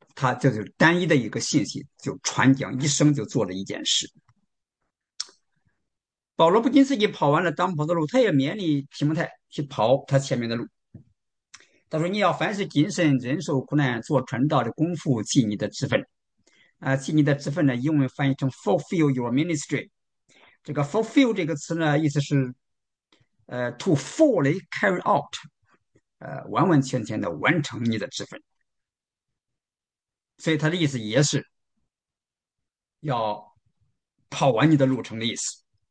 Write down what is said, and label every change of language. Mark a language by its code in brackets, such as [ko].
[zh] 他这就是单一的一个信息，就传讲一生就做了一件事。保罗不仅自己跑完了当跑的路，他也勉励提摩太去跑他前面的路。他说：“你要凡事谨慎，忍受苦难，做传道的功夫，尽你的职分。尽你的职分呢？英文翻译成 [en] fulfill your ministry。 [zh] 这个 fulfill 这个词呢，意思是 [en] to fully carry out， [zh] 完完全全的完成你的职分。” 所以他的意思也是要跑完你的路程的意思。